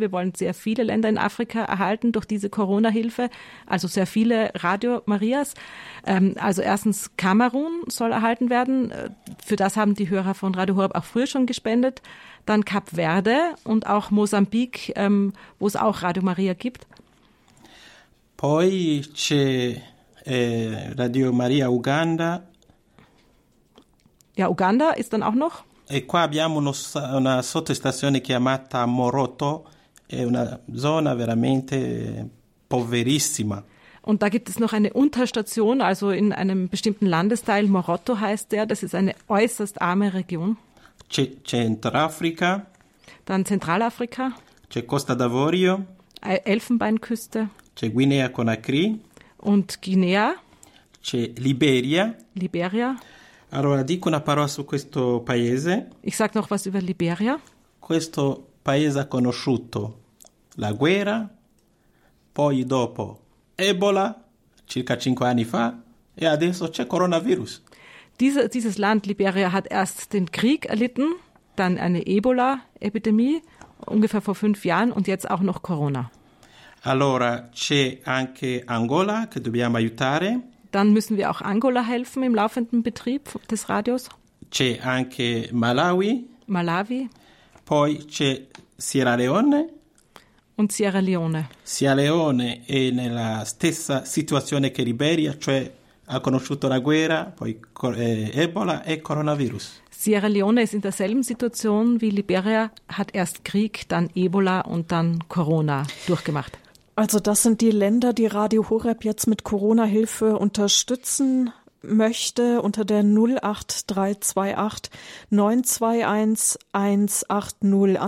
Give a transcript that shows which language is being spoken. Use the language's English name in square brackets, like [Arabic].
[German] Wir wollen sehr viele Länder in Afrika erhalten durch diese Corona-Hilfe, also sehr viele Radio Marias. Also erstens Kamerun soll erhalten werden. Für das haben die Hörer von Radio Horeb auch früher schon gespendet. Dann Kap Verde und auch Mosambik, wo es auch Radio Maria gibt. [Italian] Poi c'è Radio Maria Uganda. [German] Ja, Uganda ist dann auch noch. [Italian] E qua abbiamo una sottostazione chiamata Moroto, è una zona veramente poverissima. [German] Und da gibt es noch eine Unterstation, also in einem bestimmten Landesteil, Moroto heißt der, das ist eine äußerst arme Region. [Italian] C'è Centrafrica. [German] Dann Zentralafrika. [Italian] C'è Costa d'Avorio. [German] Elfenbeinküste. [Italian] C'è Guinea-Conakry. [German] Und Guinea. [Italian] C'è Liberia. [German] Liberia. [Italian] Allora, dico una parola su questo paese. [German] Ich sag noch was über Liberia. [Italian] Questo paese ha conosciuto la guerra, poi dopo Ebola, circa 5 anni fa, e adesso c'è coronavirus. [German] Dieses Land, Liberia, hat erst den Krieg erlitten, dann eine Ebola-Epidemie ungefähr vor 5 Jahren und jetzt auch noch Corona. [Italian] Allora, c'è anche Angola che dobbiamo aiutare. [German] Dann müssen wir auch Angola helfen im laufenden Betrieb des Radios. [Italian] C'è anche Malawi. [German] Malawi. [Italian] Poi c'è Sierra Leone. [German] Und Sierra Leone. [Italian] Sierra Leone è nella stessa situazione che Liberia, cioè ha conosciuto la guerra, poi Ebola e coronavirus. [German] Sierra Leone ist in derselben Situation wie Liberia, hat erst Krieg, dann Ebola und dann Corona durchgemacht. Also das sind die Länder, die Radio Horeb jetzt mit Corona-Hilfe unterstützen möchte unter der 08328 921 180.